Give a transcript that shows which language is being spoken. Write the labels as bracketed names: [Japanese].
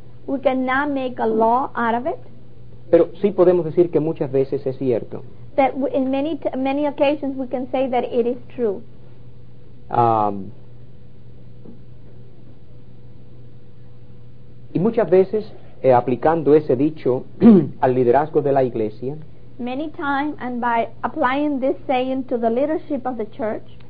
[English] We cannot make a law out of it. [Spanish] Pero sí podemos decir que muchas veces es cierto. [English] That in many occasions we can say that it is true. [Spanish] Y muchas veces aplicando ese dicho al liderazgo de la iglesia. [English] Many times, and by applying this saying to the leadership of the church,